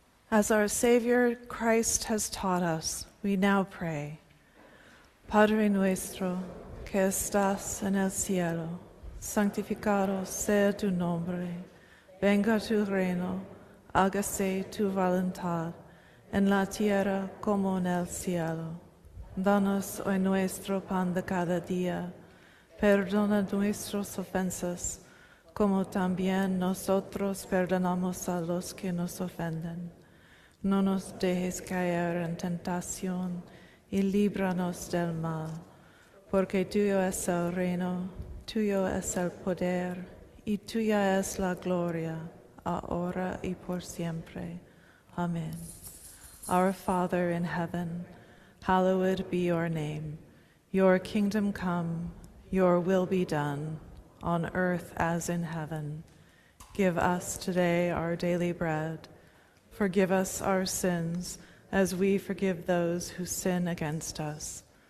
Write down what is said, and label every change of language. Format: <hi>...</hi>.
<en>As our Savior Christ has taught us, we now pray.</en> <es>Padre nuestro, que estás en el cielo, santificado sea tu nombre, venga tu reino, hágase tu voluntad, en la tierra como en el cielo. Danos hoy nuestro pan de cada día, perdona nuestras ofensas, como también nosotros perdonamos a los que nos ofenden. No nos dejes caer en tentación y líbranos del mal, porque tuyo es el reino, tuyo es el poder y tuya es la gloria, ahora y por siempre. Amén.</es> <en>Our Father in heaven, hallowed be your name. Your kingdom come, your will be done, on earth as in heaven. Give us today our daily bread. Forgive us our sins, as we forgive those who sin against us.</en>